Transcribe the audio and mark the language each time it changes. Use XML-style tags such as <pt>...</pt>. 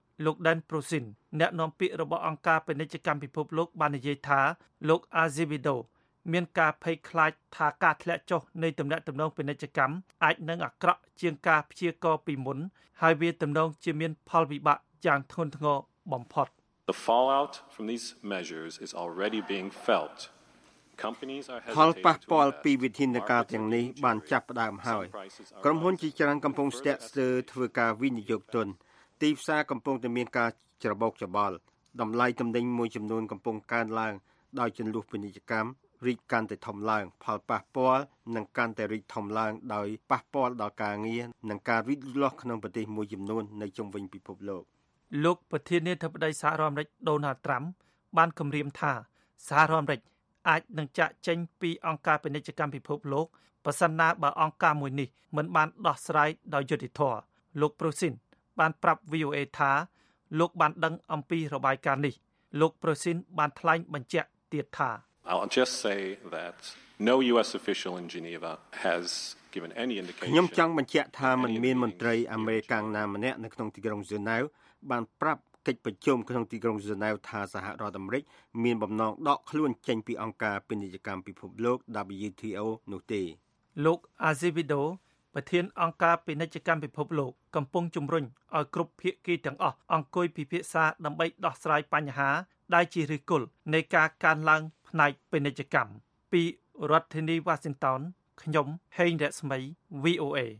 <km>លោក Dan Prosin អ្នកនាំពាក្យរបស់អង្គការពាណិជ្ជកម្មពិភពលោកបាននិយាយថាលោក Azevedo មានការភ័យខ្លាចថាការធ្លាក់ចុះនៃទំនាក់ទំនងពាណិជ្ជកម្មអាចនឹងអាក្រក់ជាងការព្យាករពីមុនហើយវាទំនងជាមានផលវិបាកយ៉ាងធ្ងន់ធ្ងរបំផុត</km> <en>The fallout from these measures is already being felt. Companies are</en> <km>ផលប៉ះពាល់ពីវិធានការទាំងនេះបានចាប់ផ្ដើមហើយក្រុមហ៊ុនជាច្រើនកំពុងស្ទាក់ស្ទើរធ្វើការវិនិយោគទុន ទីផ្សារកំពុងតែមានការច្របូកច្របល់តម្លៃទំនិញមួយចំនួនកំពុងកើនឡើងដោយចំនួនពាណិជ្ជកម្មរីកកាន់តែធំឡើងផលប៉ះពាល់នឹងកាន់តែរីកធំឡើងដោយប៉ះពាល់ដល់ការងារនិងការវិលក្នុងប្រទេសមួយចំនួននៅជុំវិញពិភពលោក លោកប្រធានាធិបតីសហរដ្ឋអាមេរិកដូណាល់ត្រាំបានគម្រាមថាសហរដ្ឋអាមេរិកអាចនឹងចាក់ចេញពីអង្គការពាណិជ្ជកម្មពិភពលោកប្រសិនណាបើអង្គការមួយនេះមិនបានដោះស្រាយដោយយុត្តិធម៌លោកប្រូស៊ីនបានប្រាប់ VOA ថាលោកបានដឹងអំពីរបាយការណ៍នេះលោកប្រូស៊ីនបានថ្លែងបញ្ជាក់ទៀតថា</km> <en>I'll just say that no US official in Geneva has given any indication.</en> <km>ខ្ញុំចង់បញ្ជាក់ថាមិនមានមន្ត្រីអាមេរិកណាម្នាក់នៅក្នុងទីក្រុងហ្សឺណែវបានប្រាប់កិច្ចប្រជុំក្នុងទីក្រុងហ្សឺណែវថាសហរដ្ឋអាមេរិកមានបំណងដកខ្លួនចេញពីអង្គការពាណិជ្ជកម្មពិភពលោក WTO នោះទេ ។លោកអាស៊ីវីដូប្រធានអង្គការពាណិជ្ជកម្មពិភពលោកកំពុងជំរុញឲ្យគ្រប់ភាគីទាំងអស់អង្គុយពិភាក្សាដើម្បីដោះស្រាយបញ្ហាដែលជាឫសគល់នៃការកើនឡើងផ្នែកពាណិជ្ជកម្មពីរដ្ឋធានីវ៉ាស៊ីនតោនខ្ញុំហេងរស្មី VOA</km>